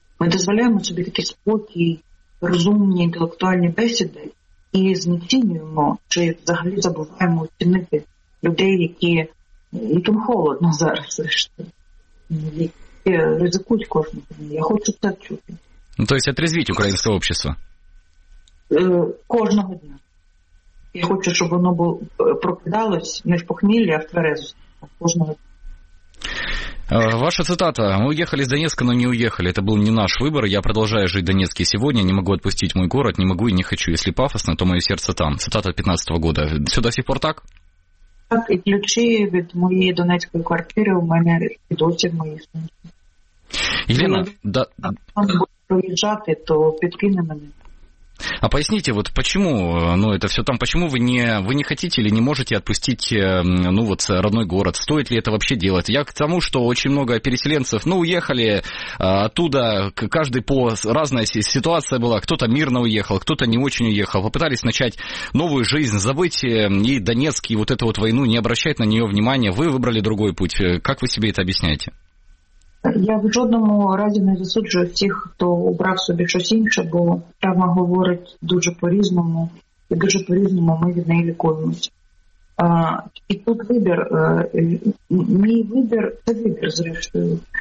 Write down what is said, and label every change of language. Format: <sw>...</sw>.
<uk>Ми дозволяємо собі такий спокій, розумні інтелектуальні бесіди і знецінюємо, чи взагалі забуваємо оцінити людей, яким холодно зараз, які ризикують кожного. Я хочу це чути. Ну, тобто, отрізвіть українське общество? Кожного дня. Я хочу, щоб воно прокидалось не в похмілі, а в тверезості. Кожного дня.</uk> <ru>Ваша цитата: «Мы уехали из Донецка, но не уехали. Это был не наш выбор. Я продолжаю жить в Донецке сегодня. Не могу отпустить мой город. Не могу и не хочу. Если пафосно, то мое сердце там». Цитата 15-го года. Все до сих пор так? Так, и ключи от моей донецкой квартиры у меня идутся в моей сумке. Елена, да. Если он будет проезжать, то подкинем меня. А поясните, вот почему, ну, это все там, почему вы не хотите или не можете отпустить, ну, вот, родной город? Стоит ли это вообще делать? Я к тому, что очень много переселенцев, ну, уехали оттуда, каждый по разной ситуации была. Кто-то мирно уехал, кто-то не очень уехал. Попытались начать новую жизнь, забыть и Донецк, и вот эту вот войну, не обращать на нее внимания. Вы выбрали другой путь. Как вы себе это объясняете?</ru> <uk>Я в жодному разі не засуджую всіх, хто обрав собі щось інше, бо травма говорить дуже по-різному, і дуже по-різному ми від неї лікуємося. І тут вибір, мій вибір – це вибір, зрештою.</uk>